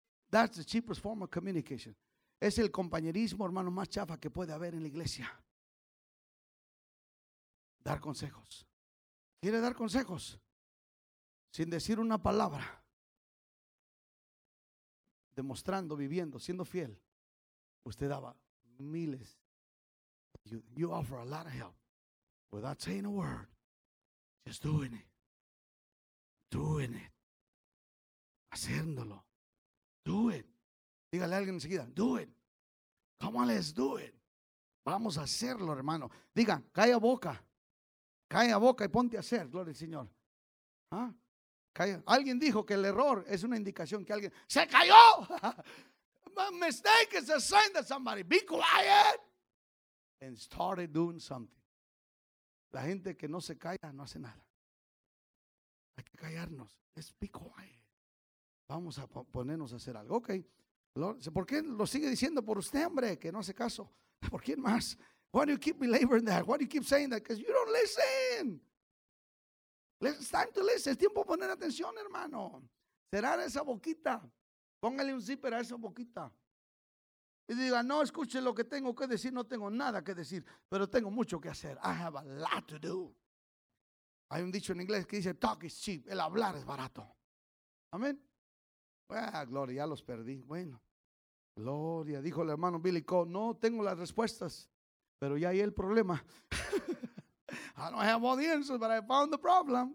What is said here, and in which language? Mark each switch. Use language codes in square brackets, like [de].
[en] That's the cheapest form of communication. [es] Es el compañerismo, hermano, más chafa que puede haber en la iglesia. Dar consejos. ¿Quiere dar consejos? Sin decir una palabra, demostrando, viviendo, siendo fiel, usted daba miles. [en] You offer a lot of help without saying a word. Just doing it. Doing it. [es] Haciéndolo. [en] Do it. [es] Dígale a alguien enseguida, [en] do it. Come on, let's do it. [es] Vamos a hacerlo, hermano. Diga, calla boca. Calla boca y ponte a hacer, gloria al Señor. ¿Ah? Calla. Alguien dijo que el error es una indicación que alguien se cayó. [en] My mistake is a sign that somebody be quiet and started doing something. [es] La gente que no se calla no hace nada. Hay que callarnos. [en] Let's be quiet. [es] Vamos a ponernos a hacer algo. Ok. ¿Por qué lo sigue diciendo? Por usted, hombre, que no hace caso. ¿Por quién más? [en] Why do you keep belaboring that? Why do you keep saying that? Because you don't listen. It's time to listen. [es] Es tiempo de poner atención, hermano. Cerrar esa boquita. Póngale un zipper a esa boquita. Y diga, no, escuche lo que tengo que decir. No tengo nada que decir, pero tengo mucho que hacer. [en] I have a lot to do. [es] Hay un dicho en inglés que dice, [en] talk is cheap. [es] El hablar es barato. Amén. Ah, gloria, ya los perdí. Bueno, gloria, dijo el hermano Billy Cole. No tengo las respuestas, pero ya hay el problema. [en] I don't have all the answers, but I found the problem.